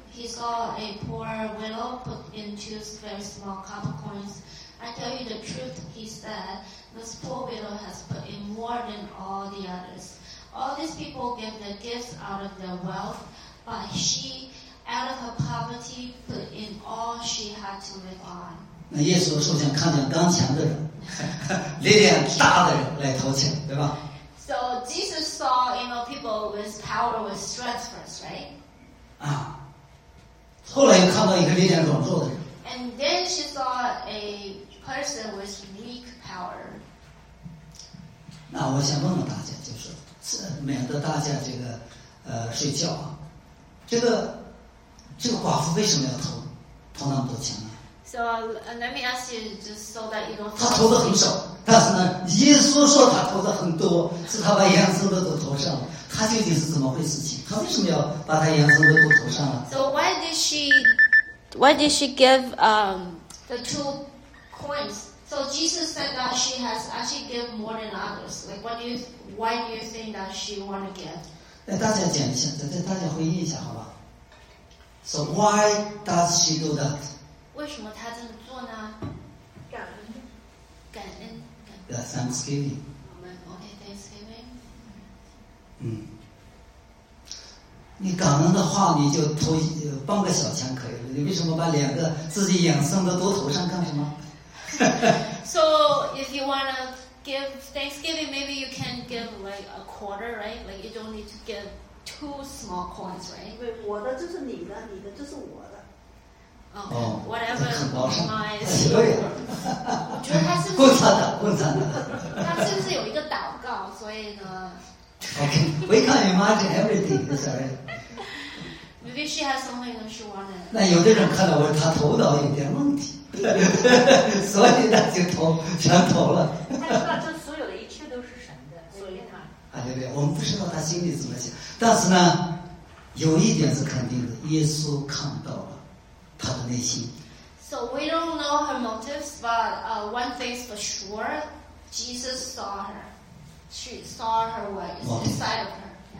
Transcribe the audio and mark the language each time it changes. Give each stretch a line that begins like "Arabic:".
English: He saw a poor widow put in two very small copper coins. I tell you the truth, he said, this poor widow has put in more than all the others. All these people gave their gifts out of their wealth, but she, out of her poverty, put in all she had to live on.
Chinese: 那耶稣首先看见刚强的人。力量大的人来投钱，对吧
English: ？So Jesus saw, you know, people with power, with strength first, right?
Chinese: 啊，后来又看到一个力量软弱的人。
English: And then she saw a person with weak power.
Chinese: 那我想问问大家，就是免得大家这个睡觉啊，这个寡妇为什么要投那么多钱呢？
English: So let me ask you, just so that you don't.
Chinese: 他投的很少，但是呢，耶稣说他投的很多，是他把衍生的都投上了。他究竟是怎么回事情？他为什么要把他衍生的都投上了
English: ？So why did she give the two coins? So Jesus said that she has actually give more than others. Like, why do you think that she want to give?
Chinese: 来，大家讲一下，大家回忆一下，好吧 ？
English: So why does she do that?
Chinese: 为什么他这么做呢？感恩。
English: Yeah, Thanksgiving. Okay, Thanksgiving.
Chinese: 你感恩的话，你就投半个小钱可以了。你为什么把两个自己衍生的都投上干什么
English: ？So if you wanna give Thanksgiving, maybe you can give like a quarter, right? Like you don't need to give two small coins, right?
Chinese: 因为我的就是你的，你的就是我的。
English: Whatever my son.
Chinese: 对呀，我觉得他是共产党，共产党。他是不是有一个祷告？所以呢
English: ？Okay, we can imagine everything. Sorry. Maybe she has something that she wanted.
Chinese: 那有的人看到我，他头脑有点问题，所以他就投，全投了。他知道这所有的一切都是神的，所以他。啊对对，我们不知道他心里怎么想，但是呢，有一点是肯定的，耶稣看到了。他的内心。
English: So we don't know her motives, but one thing's for sure, Jesus saw her. She saw her way, it's inside of her.